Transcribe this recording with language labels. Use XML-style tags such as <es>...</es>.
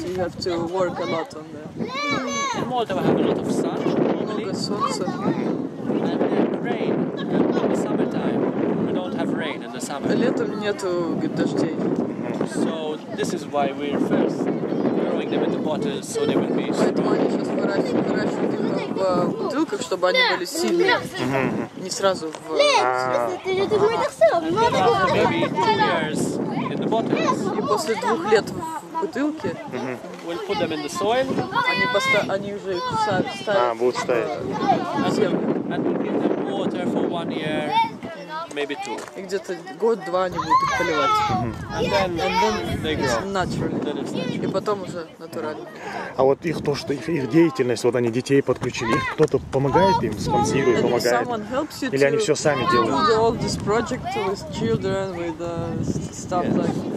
<en>You have to work a lot on them? In Malta we have a lot of sun, and then rain in the summertime. We don't have rain in the summer.</en> <ru>Летом нету дождей.</ru> <en>So this is why we're first growing them in the bottles, so they will be.</en> <ru>Поэтому они сейчас выращивают их в бутылках, чтобы они были сильные, не сразу в.</ru> <en>Maybe 2 years in the bottles.</en> <ru>И после 2 лет. Бутылки.</ru> <en>We'll put them in the soil.</en> <ru>Они уже ставят. А, будут ставить.</ru> <en>And we'll give them water for 1 year, maybe 2.</en> <ru>И где-то год-два они будут их поливать.</ru> <en>And then they grow.</en> <ru>Natural. И потом уже натурально. А вот их то, что их деятельность, вот они детей подключили, кто-то помогает им, спонсирует, помогает? Или они все сами делают?</ru> <en>Do all this project with children, with stuff like.</en>